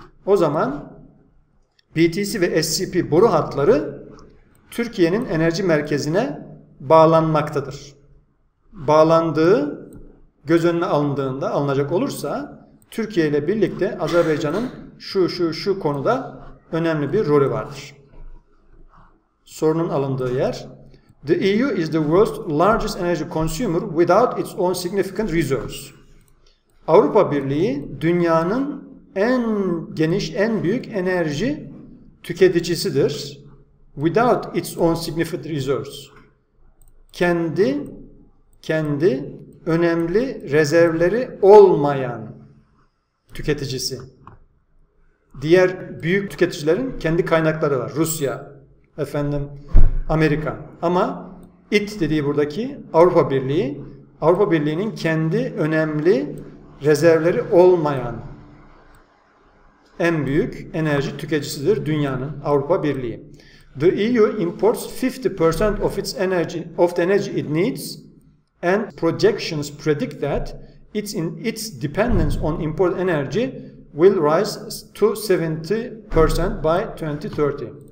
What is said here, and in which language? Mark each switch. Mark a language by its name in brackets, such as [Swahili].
[Turkish] O zaman BTC ve SCP boru hatları Türkiye'nin enerji merkezine bağlanmaktadır. Bağlandığı göz önüne alındığında, alınacak olursa Türkiye ile birlikte Azerbaycan'ın şu konuda önemli bir rolü vardır. Sorunun alındığı yer. [English] The EU is the world's largest energy consumer without its own significant reserves. [Turkish] Avrupa Birliği dünyanın en geniş, en büyük enerji tüketicisidir. [English] Without its own significant reserves. [Turkish] kendi önemli rezervleri olmayan tüketicisi. Diğer büyük tüketicilerin kendi kaynakları var. Rusya, efendim Amerika. Ama IT dediği buradaki Avrupa Birliği, Avrupa Birliği'nin kendi önemli rezervleri olmayan en büyük enerji tüketicisidir dünyanın, Avrupa Birliği. [English] The EU imports 50% of its energy it needs, and projections predict that its dependence on imported energy will rise to 70% by 2030.